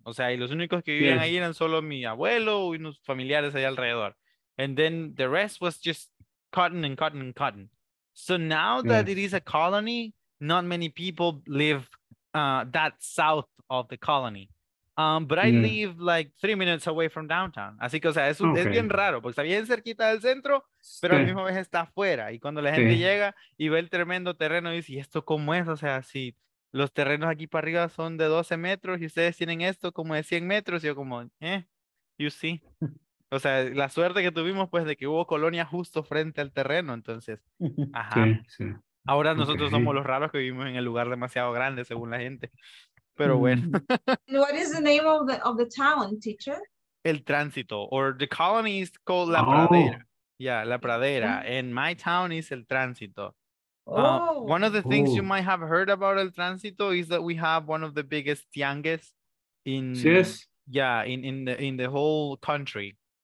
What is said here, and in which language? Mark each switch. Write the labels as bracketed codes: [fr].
[es] O sea, y los únicos que vivían ahí eran solo mi abuelo y unos familiares ahí alrededor. [en] And then the rest was just cotton and cotton and cotton. So now that it is a colony, not many people live that south of the colony. But I live like 3 minutes away from downtown. [es] Así que, o sea, es bien raro, porque está bien cerquita del centro, pero al mismo vez está afuera. Y cuando la gente llega y ve el tremendo terreno, dice, ¿y esto cómo es? O sea, si los terrenos aquí para arriba son de 12 metros y ustedes tienen esto como de 100 metros, yo como, [en] you see. [es] O sea, la suerte que tuvimos, pues, de que hubo colonia justo frente al terreno, entonces, ajá. Ahora nosotros somos los raros que vivimos en el lugar demasiado grande, según la gente. Pero bueno. [en] What is the name of the town, teacher? El Tránsito, or the colony is called La Pradera. Yeah, La Pradera. And my town is El Tránsito. One of the things you might have heard about El Tránsito is that we have one of the biggest tianguis in the whole country.